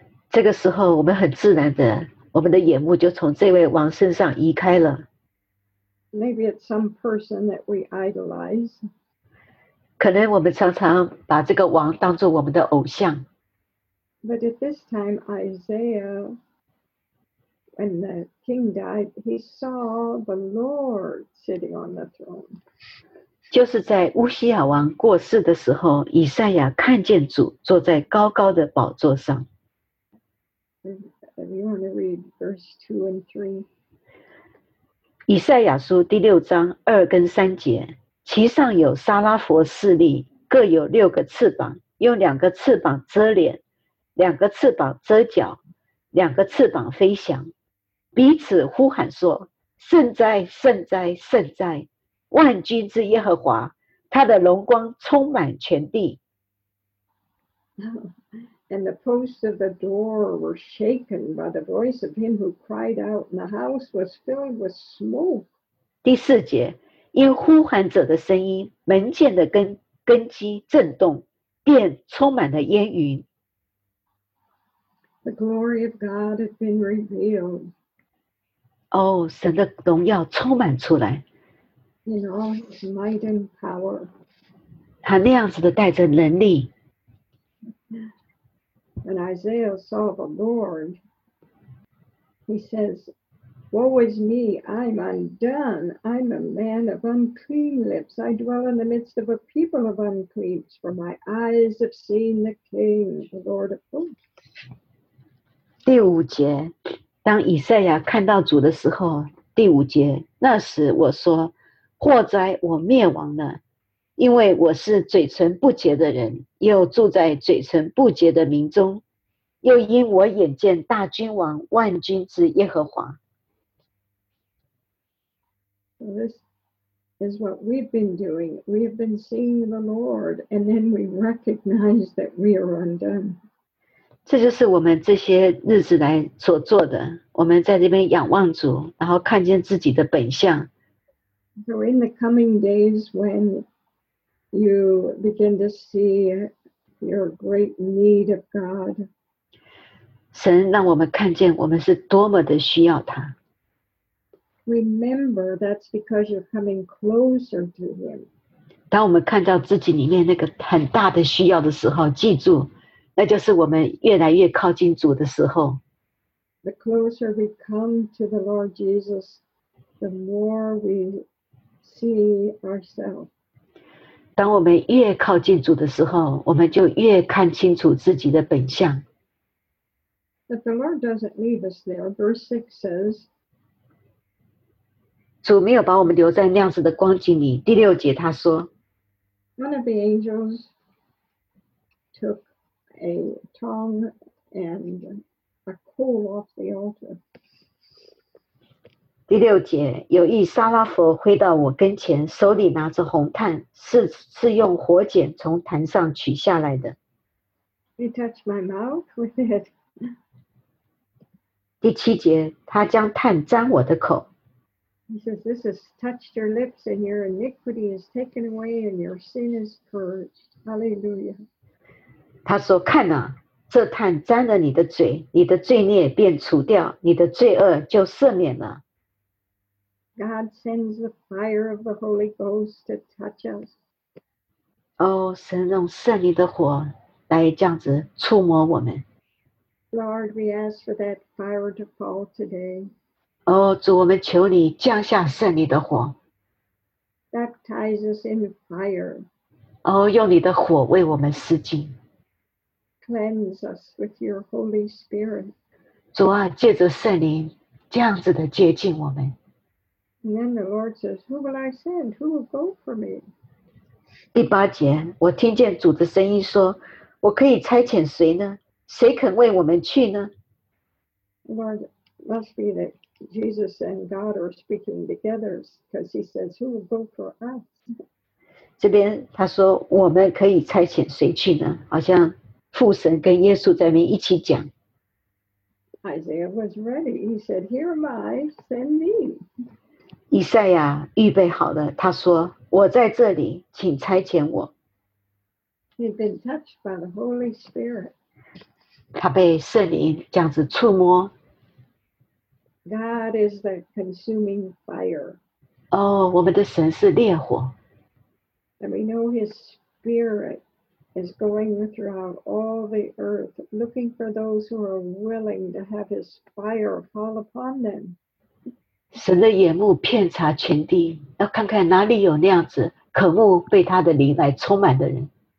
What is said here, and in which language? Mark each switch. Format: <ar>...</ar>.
<zh>这个时候我们很自然的，我们的眼目就从这位王身上移开了。</zh> <en>Maybe it's some person that we idolize.</en> <zh>可能我们常常把这个王当作我们的偶像。</zh> <en>But at this time, Isaiah... When the king died, he saw the Lord sitting on the throne.</en> <zh>就是在乌西亚王过世的时候，以赛亚看见主坐在高高的宝座上。</zh> <en>You want to read verse 2 and 3?</en> <zh>以赛亚书第六章二跟三节，其上有撒拉佛四粒，各有六个翅膀，用两个翅膀遮脸，两个翅膀遮脚，两个翅膀飞翔。彼此呼喊说：“圣哉，圣哉，圣哉！万军之耶和华，他的荣光充满全地。”</zh> <en>And the posts of the door were shaken by the voice of him who cried out, and the house was filled with smoke.</en> <zh>第四节，因呼喊者的声音，门键的根基震动，殿充满了烟云。</zh> <en>The glory of God had been revealed.</en> <zh>哦，神的荣耀充满出来。</zh> <en>In all his might and power.</en> <zh>他那样子的带着能力。</zh> <en>When Isaiah saw the Lord, he says, Woe is me, I'm undone. I'm a man of unclean lips. I dwell in the midst of a people of unclean lips, for my eyes have seen the King, the Lord of hosts.</en> <zh>第五节。当以赛亚看到主的时候，第五节，那时我说：“祸哉，我灭亡了，因为我是嘴唇不洁的人，又住在嘴唇不洁的民中，又因我眼见大君王万军之耶和华。”</zh> <en>This is what we've been doing. We have been seeing the Lord, and then we recognize that we are undone.</en> <zh>这就是我们这些日子来所做的。我们在这边仰望主，然后看见自己的本相。</zh> <en>So in the coming days, when you begin to see your great need of God,</en> <zh>神让我们看见我们是多么的需要他。</zh> <en>Remember, that's because you're coming closer to Him.</en> <zh>当我们看到自己里面那个很大的需要的时候，记住。那就是我们越来越靠近主的时候。</zh> <en>The closer we come to the Lord Jesus, the more we see ourselves.</en> <zh>当我们越靠近主的时候，我们就越看清楚自己的本相。</zh> <en>But the Lord doesn't leave us there. Verse 6 says,</en> <zh>主没有把我们留在那样子的光景里。第六节他说，</zh> <en>One of the angels took. A tong and a coal off the altar.</en> <zh>第六节，有一沙拉佛回到我跟前，手里拿着红炭，是用火剪从坛上取下来的。</zh> <en>He touched my mouth with it.</en> <zh>第七节，他将炭沾我的口。</zh> <en>He says, this has touched your lips and your iniquity is taken away and your sin is purged. Hallelujah.</en> <zh>他说，看啊，这炭沾了你的嘴，你的罪孽便除掉，你的罪恶就赦免了。</zh> <en>God sends the fire of the Holy Ghost to touch us.</en> <zh>Oh, 神用圣灵的火来这样子触摸我们。</zh> <en>Lord, we ask for that fire to fall today.</en> <zh>Oh, 主，我们求你降下圣灵的火。</zh> <en>Baptize us in fire.</en> <zh>Oh, 用你的火为我们洗净。</zh> <en>Cleanse us with your Holy Spirit.</en> <zh>主啊，借着圣灵这样子的接近我们。</zh> <en>And then the Lord says, "Who will I send? Who will go for me?"</en> <zh>第八节，我听见主的声音说，我可以差遣谁呢？谁肯为我们去呢？</zh> <en>Lord, must be that Jesus and God are speaking together, because He says, "Who will go for us?"</en> <zh>这边他说，我们可以差遣谁去呢？好像父神跟耶稣在那边一起讲。</zh> <en>Isaiah was ready. He said, "Here am I. Send me."</en> <zh>以赛亚预备好了，他说，我在这里，请差遣我。</zh> <en>He'd been touched by the Holy Spirit.</en> <zh>他被圣灵这样子触摸。</zh> <en>God is the consuming fire.</en> <zh>哦，我们的神是烈火。</zh> <en>And we know His Spirit is going throughout all the earth, looking for those who are willing to have His fire fall upon them.</en> <zh>神的眼目遍察全地，要看看哪里有那样子渴慕被他的灵来充满的人。</zh>